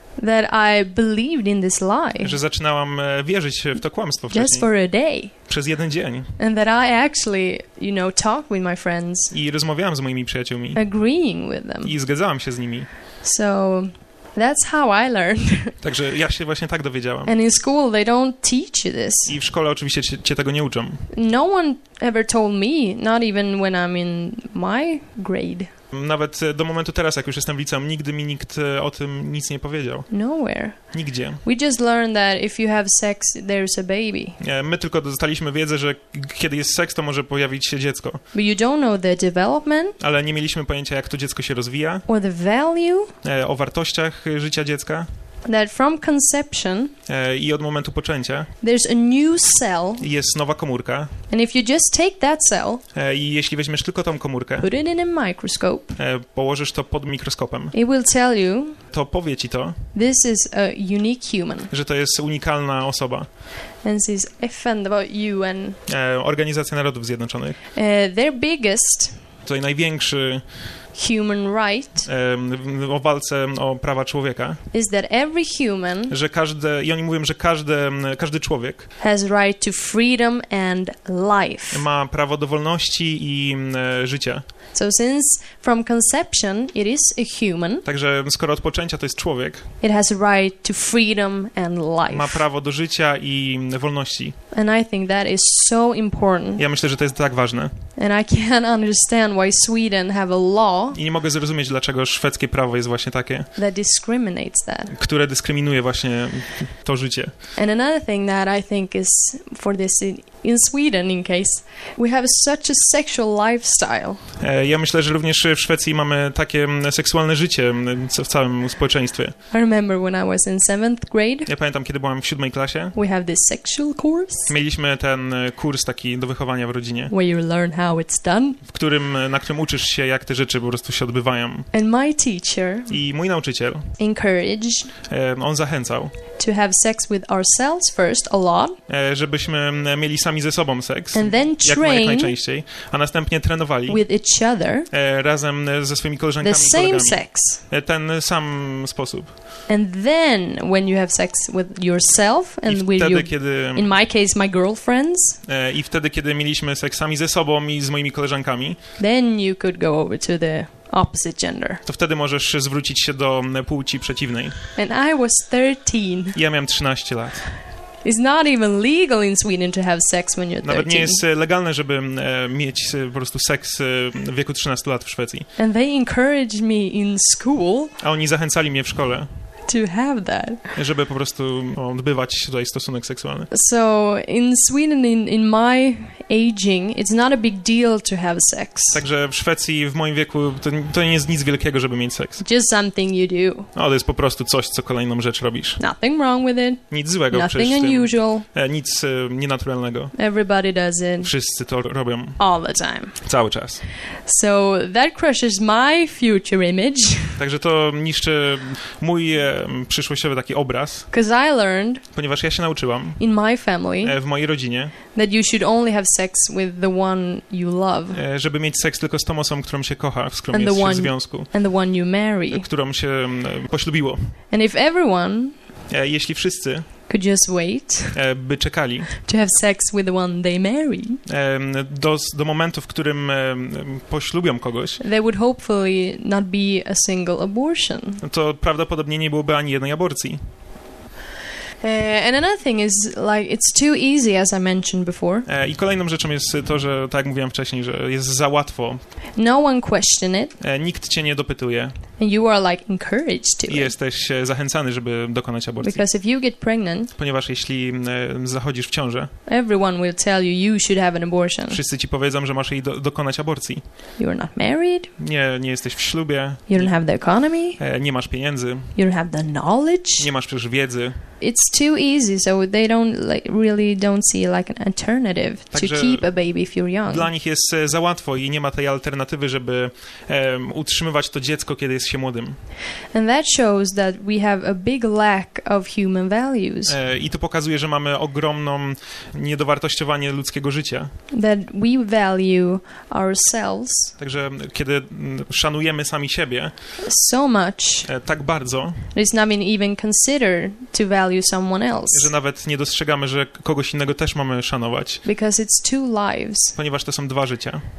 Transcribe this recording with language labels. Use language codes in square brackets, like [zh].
[en] That I believed in this lie. [pl] Że zaczynałam wierzyć w to kłamstwo wcześniej. [en] Just for a day. [pl] Przez jeden dzień. [en] And that I actually, you know, talked with my friends. [pl] I rozmawiałam z moimi przyjaciółmi. [en] Agreeing with them. [pl] I zgadzałam się z nimi. [en] So that's how I learned. [pl] Także ja się właśnie tak dowiedziałam. [en] And in school they don't teach you this. [pl] I w szkole oczywiście cię tego nie uczą. [en] No one ever told me, not even when I'm in my grade. [pl] Nawet do momentu teraz, jak już jestem w liceum, nigdy mi nikt o tym nic nie powiedział. [en] Nowhere. [pl] Nigdzie. [en] We just learned that if you have sex, there's a baby. [pl] My tylko dostaliśmy wiedzę, że kiedy jest seks, to może pojawić się dziecko. [en] But you don't know the development. [pl] Ale nie mieliśmy pojęcia, jak to dziecko się rozwija. [en] Or the value. [pl] O wartościach życia dziecka. [en] That from conception. [pl] I od momentu poczęcia. [en] There's a new cell. [pl] Jest nowa komórka. [en] And if you just take that cell. [pl] I jeśli weźmiesz tylko tą komórkę. [en] Put it in a microscope. [pl] Położysz to pod mikroskopem. [en] It will tell you. [pl] To powie ci to. [en] This is a unique human. [pl] Że to jest unikalna osoba. [en] And this is FN, UN. [pl] Organizacja Narodów Zjednoczonych. [en] Their biggest. [pl] Tutaj największy. [en] Human right. [pl] O walce o prawa człowieka. [en] Is that every human? [pl] Że każde, i oni mówią, że każdy człowiek. [en] Has right to freedom and life. [pl] Ma prawo do wolności i życia. [en] So since from conception it is a human. [pl] Także skoro od poczęcia to jest człowiek. [en] It has right to freedom and life. [pl] Ma prawo do życia i wolności. [en] And I think that is so important. [pl] Ja myślę, że to jest tak ważne. [en] And I can't understand why Sweden have a law. [pl] I nie mogę zrozumieć, dlaczego szwedzkie prawo jest właśnie takie, [en] that discriminates that. [pl] Które dyskryminuje właśnie to życie. [en] And another thing that I think is for this in Sweden, in case, we have such a sexual lifestyle. [pl] Ja myślę, że również w Szwecji mamy takie seksualne życie w całym społeczeństwie. [en] I remember when I was in seventh grade. [pl] Ja pamiętam, kiedy byłam w siódmej klasie. [en] We have this sexual course. [pl] Mieliśmy ten kurs taki do wychowania w rodzinie. [en] Where you learn how it's done. [pl] Na którym uczysz się, jak te rzeczy po prostu się odbywają. [en] And my teacher. [pl] I mój nauczyciel. [en] Encouraged. [pl] On zachęcał. [en] To have sex with ourselves first a lot. [pl] Żebyśmy mieli sami ze sobą seks, [en] and then train [pl] jak najczęściej, a następnie trenowali [en] with each other, [pl] razem ze swoimi koleżankami [en] the same [pl] i kolegami [en] sex. [pl] Ten sam sposób. [en] And then when you have sex with yourself and [pl] wtedy, [en] with your, [pl] kiedy, [en] in my case my girlfriends, [pl] i wtedy kiedy mieliśmy seks sami ze sobą i z moimi koleżankami, [en] then you could go over to the opposite gender. [pl] To wtedy możesz zwrócić się do płci przeciwnej. [en] And I was 13. [pl] Ja miałem 13 lat. [en] It's not even legal in Sweden to have sex when you're 13. [pl] Nawet nie jest legalne, żeby mieć po prostu seks w wieku 13 lat w Szwecji. [en] And they encouraged me in school. [pl] A oni zachęcali mnie w szkole. [en] To have that. [pl] Żeby po prostu odbywać tutaj stosunek seksualny. [en] So in Sweden, in my aging, it's not a big deal to have sex. [pl] Także w Szwecji, w moim wieku, to nie jest nic wielkiego, żeby mieć seks. [en] Just something you do. [pl] No, to jest po prostu coś, co kolejną rzecz robisz. [en] Nothing wrong with it. [pl] Nic złego. [en] Nothing [pl] przecież [en] unusual. [pl] Nic nienaturalnego. [en] Everybody does it. [pl] Wszyscy to robią. [en] All the time. [pl] Cały czas. [en] So that crushes my future image. [pl] Także to niszczy mój przyszłościowy taki obraz. [en] I learned, [pl] ponieważ ja się nauczyłam [en] in my family, [pl] w mojej rodzinie, [en] that you should only have sex with the one you love, [pl] żeby mieć seks tylko z tą osobą, którą się kocha, z którą jest [en] one, [pl] w związku, [en] and the one you marry, [pl] którą się poślubiło. [en] And if everyone, [pl] jeśli wszyscy [en] could just wait, [pl] by czekali [en] to have sex with the one they marry, [pl] do momentu, w którym poślubią kogoś, [en] there would hopefully not be a single abortion. [pl] To prawdopodobnie nie byłoby ani jednej aborcji. [en] And another thing is, like, it's too easy, as I mentioned before. [pl] I kolejną rzeczą jest to, że, tak jak mówiłem wcześniej, że jest za łatwo. [en] No one question it. [pl] Nikt cię nie dopytuje. [en] And you are, like, encouraged to. [pl] I jesteś zachęcany, żeby dokonać aborcji. [en] Because if you get pregnant, [pl] ponieważ jeśli zachodzisz w ciążę, [en] everyone will tell you you should have an abortion. [pl] Wszyscy ci powiedzą, że masz jej dokonać aborcji. [en] You are not married. [pl] Nie jesteś w ślubie. [en] You don't have the economy. [pl] Nie masz pieniędzy. [en] You don't have the knowledge. [pl] Nie masz przecież wiedzy. [en] It's too easy, so they don't like, really don't see like an alternative to keep a baby if you're young. [pl] Dla nich jest za łatwo i nie ma tej alternatywy, żeby utrzymywać to dziecko, kiedy jest się młodym. [en] And that shows that we have a big lack of human values. [pl] I to pokazuje, że mamy ogromną niedowartościowanie ludzkiego życia. [en] That we value ourselves. [pl] Także kiedy szanujemy sami siebie [en] so much, [pl] tak bardzo, [en] it's not even considered to value. [pl] Że nawet nie dostrzegamy, że kogoś innego też mamy szanować. [en] Because it's two lives. [pl] Ponieważ to są dwa życia.